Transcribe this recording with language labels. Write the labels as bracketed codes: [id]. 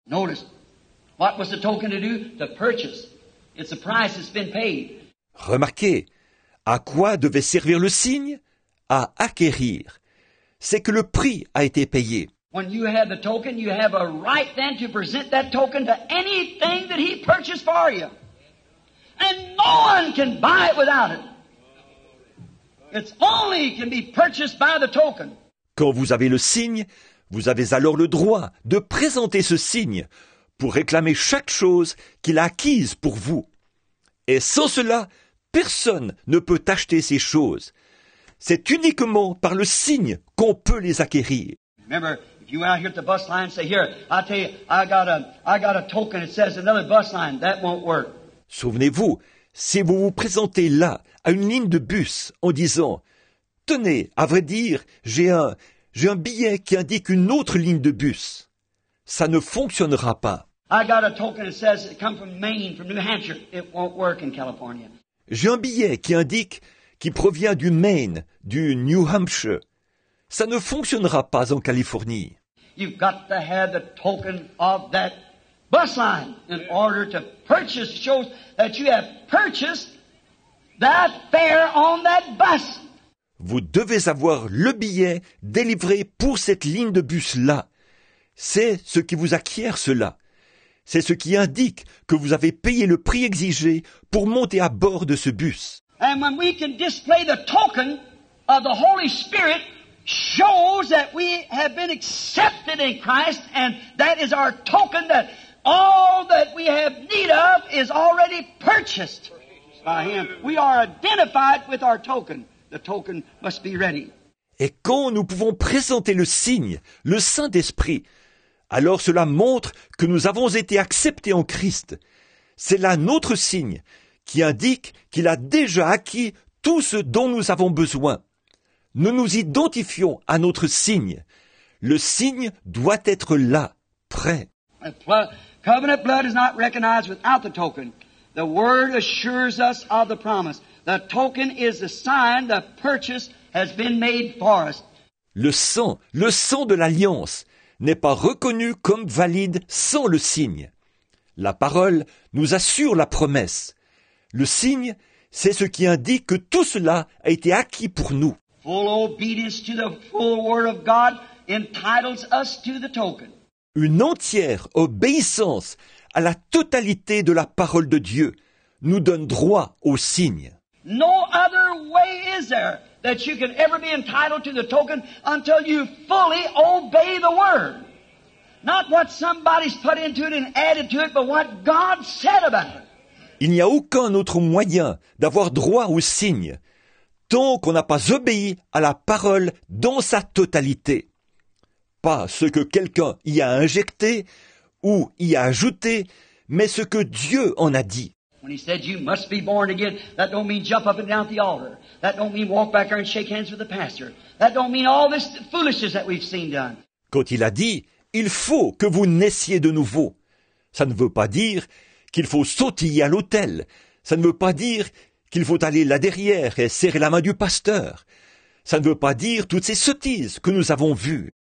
[en] Notice, what was the token to do? To purchase. It's a price that's been paid. [fr] Remarquez, à quoi devait servir le signe? À acquérir. C'est que le prix a été payé. [en] When you have the token, you have a right then to present that token to anything that He purchased for you. And no one can buy it without it. It's only can be purchased by the token. [fr] Quand vous avez le signe, vous avez alors le droit de présenter ce signe pour réclamer chaque chose qu'il a acquise pour vous. Et sans cela, personne ne peut acheter ces choses. C'est uniquement par le signe qu'on peut les acquérir. [en] Remember, if you're out here at the bus line, say, here, I tell you, I got a token that says another bus line. That won't work. [fr] Souvenez-vous, si vous vous présentez là, à une ligne de bus, en disant, tenez, à vrai dire, j'ai un billet qui indique une autre ligne de bus. Ça ne fonctionnera pas. [en] I got a token that says it comes from Maine, from New Hampshire. It won't work in California. [fr] J'ai un billet qui indique qu'il provient du Maine, du New Hampshire. Ça ne fonctionnera pas en Californie. [en] You've got to have the token of that bus line in order to purchase. It shows that you have purchased that fare on that bus. [fr] Vous devez avoir le billet délivré pour cette ligne de bus-là. C'est ce qui vous acquiert cela. C'est ce qui indique que vous avez payé le prix exigé pour monter à bord de ce bus. [en] And when we can display the token of the Holy Spirit shows that we have been accepted in Christ, and that is our token that all that we have need of is already purchased by Him. We are identified with our token. The token must be ready. [fr] Et quand nous pouvons présenter le signe, le Saint-Esprit, alors cela montre que nous avons été acceptés en Christ. C'est là notre signe qui indique qu'il a déjà acquis tout ce dont nous avons besoin. Nous nous identifions à notre signe. Le signe doit être là, prêt. [en] Covenant blood is not recognized without the token. The word assures us of the promise. The token is the sign the purchase has been made for us. [fr] Le sang de l'alliance n'est pas reconnu comme valide sans le signe. La parole nous assure la promesse. Le signe, c'est ce qui indique que tout cela a été acquis pour nous. [en] Full obedience to the full word of God entitles us to the token. [fr] Une entière obéissance à la totalité de la parole de Dieu nous donne droit au signe. [en] No other way is there that you can ever be entitled to the token until you fully obey the word. Not what somebody's put into it and added to it, but what God said about it. [fr] Il n'y a aucun autre moyen d'avoir droit au signe tant qu'on n'a pas obéi à la parole dans sa totalité. Pas ce que quelqu'un y a injecté ou y a ajouté, mais ce que Dieu en a dit. [en] When he said you must be born again, that don't mean jump up and down the altar. That don't mean walk back there and shake hands with the pastor. That don't mean all this foolishness that we've seen done. [fr] Quand il a dit, il faut que vous naissiez de nouveau. Ça ne veut pas dire qu'il faut sautiller à l'autel. Ça ne veut pas dire qu'il faut aller là derrière et serrer la main du pasteur. Ça ne veut pas dire toutes ces sottises que nous avons vues.